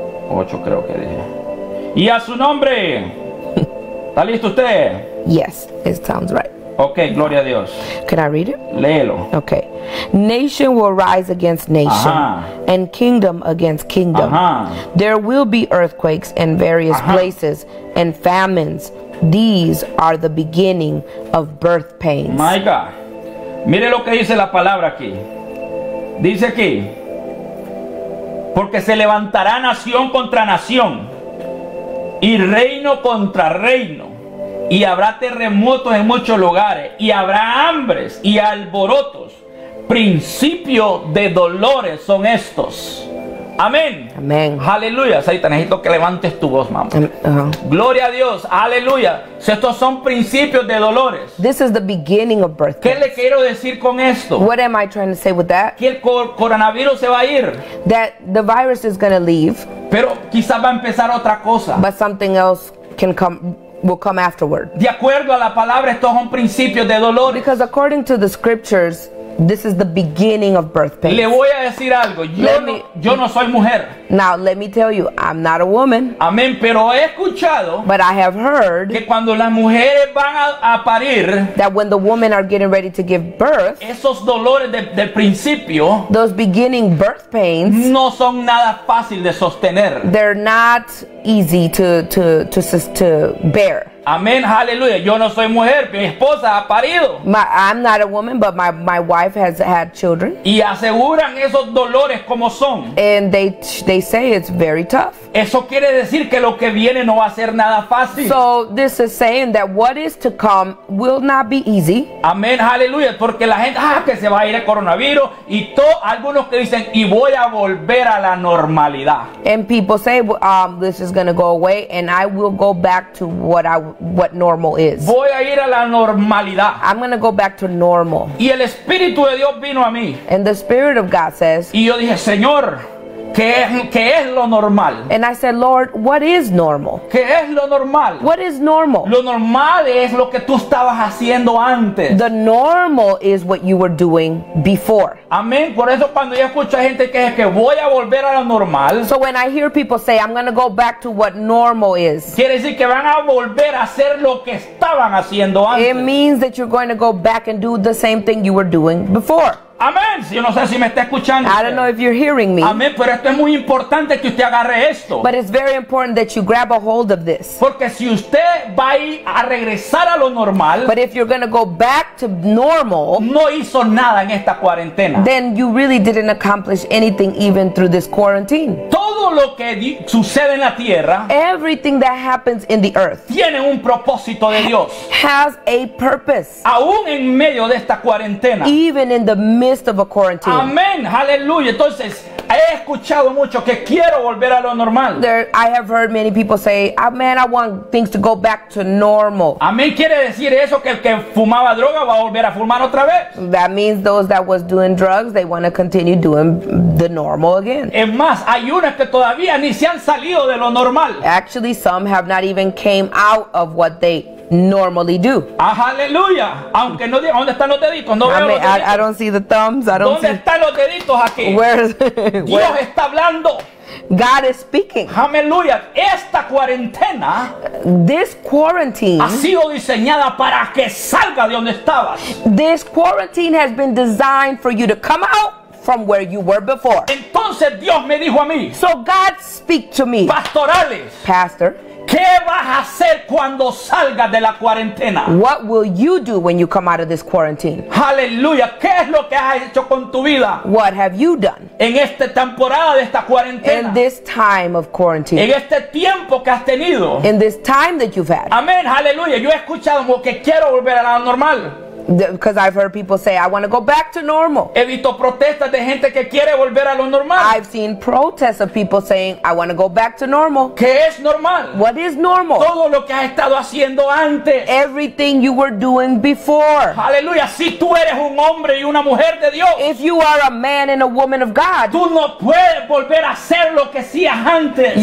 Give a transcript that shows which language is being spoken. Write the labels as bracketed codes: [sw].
[es] 8 creo que dije. Y a su nombre. ¿Está listo usted? [en] Yes, it sounds right. [es] Okay, gloria a Dios. [en] Can I read it? [es] Léelo. Okay. [en] Nation will rise against nation, and kingdom against kingdom. There will be earthquakes in various places and famines. These are the beginning of birth pains. My God. [es] Mire lo que dice la palabra aquí. Dice aquí, porque se levantará nación contra nación y reino contra reino, y habrá terremotos en muchos lugares, y habrá hambres y alborotos. Principio de dolores son estos. Amén. Amén. Aleluya. Satanás, necesito que levantes tu voz, mamá. Gloria a Dios. Aleluya. Si estos son principios de dolores. [en] This is the beginning of birth. [es] ¿Qué le quiero decir con esto? [en] What am I trying to say with that? [es] Que el coronavirus se va a ir. [en] That the virus is going to leave. [es] Pero quizás va a empezar otra cosa. [en] But something else can come. Will come afterward. [es] De acuerdo a la palabra, estos son principios de dolor. [en] Because according to the scriptures, this is the beginning of birth pain. [es] Le voy a decir algo. Yo no soy mujer. [en] Now let me tell you, I'm not a woman. [es] Amén. Pero he escuchado. [en] But I have heard [es] que cuando las mujeres van a parir, [en] that when the women are getting ready to give birth, [es] esos dolores del principio, [en] those beginning birth pains, [es] no son nada fácil de sostener. [en] They're not easy to bear. [es] Amén, aleluya. Yo no soy mujer, mi esposa ha parido. [en] I'm not a woman, but my wife has had children. [es] Y aseguran esos dolores como son. [en] And they say it's very tough. [es] Eso quiere decir que lo que viene no va a ser nada fácil. [en] So this is saying that what is to come will not be easy. [es] Amén, aleluya. Porque la gente, que se va a ir el coronavirus. Y todos, algunos que dicen, y voy a volver a la normalidad. [en] And people say, this is going to go away and I will go back to what normal is. [es] Voy a ir a la normalidad. [en] I'm going to go back to normal. [es] Y el Espíritu de Dios vino a mí. [en] And the Spirit of God says. [es] Y yo dije, Señor, ¿Qué es lo normal? [en] And I said, Lord, what is normal? [es] ¿Qué es lo normal? [en] What is normal? [es] Lo normal es lo que tú estabas haciendo antes. [en] The normal is what you were doing before. [es] Amén. Por eso cuando yo escucho a gente que dice que voy a volver a lo normal. [en] So when I hear people say, I'm going to go back to what normal is. [es] Quiere decir que van a volver a hacer lo que estaban haciendo antes. [en] It means that you're going to go back and do the same thing you were doing before. [es] Amén. Yo no sé si me está escuchando. [en] I don't know if you're hearing me. [es] Amén. Pero esto es muy importante que usted agarre esto. [en] But it's very important that you grab a hold of this. [es] Porque si usted va a regresar a lo normal. [en] But if you're going to go back to normal. [es] No hizo nada en esta cuarentena. [en] Then you really didn't accomplish anything even through this quarantine. [es] Todo lo que sucede en la tierra. [en] Everything that happens in the earth. [es] Tiene un propósito de Dios. [en] Has a purpose. [es] Aún en medio de esta cuarentena. [en] Even in the midst of a quarantine. Amen. Hallelujah. [es] Entonces, he escuchado mucho que quiero volver a lo normal. [en] I have heard many people say, man, I want things to go back to normal. Amen. [es] Quiere decir eso que el que fumaba droga va a volver a fumar otra vez. [en] That means those that was doing drugs, they want to continue doing the normal again. [es] Es más, hay unas que todavía ni se han salido de lo normal. [en] Actually, some have not even came out of what they normally do. [es] Hallelujah. Aunque no diga, ¿dónde están los deditos? No veo los deditos. [en] I don't see the thumbs. I don't [es] ¿dónde [en] see... [es] están los deditos aquí? [en] Where? [es] Dios está hablando. [en] God is speaking. [es] Hallelujah. Esta cuarentena, [en] this quarantine, [es] ha sido diseñada para que salga de donde estabas. [en] This quarantine has been designed for you to come out from where you were before. [es] Entonces Dios me dijo a mí. [en] So God speak to me. [es] Pastor Alex. [en] Pastor. [es] ¿Qué vas a hacer cuando salgas de la cuarentena? [en] What will you do when you come out of this quarantine? Hallelujah. [es] ¿Qué es lo que has hecho con tu vida? [en] What have you done? [es] En esta temporada de esta cuarentena. [en] In this time of quarantine. [es] En este tiempo que has tenido. [en] In this time that you've had. [es] Amén. Hallelujah. Yo he escuchado como que quiero volver a la normal. [en] Because I've heard people say, I want to go back to normal. [es] He visto protestas de gente que quiere volver a lo normal. [en] I've seen protests of people saying, I want to go back to normal. [es] ¿Qué es normal? [en] What is normal? [es] Todo lo que has estado haciendo antes. [en] Everything you were doing before. Hallelujah. [es] Si tú eres un hombre y una mujer de Dios. [en] If you are a man and a woman of God. [es] Tú no puedes volver a hacer lo que hacías antes.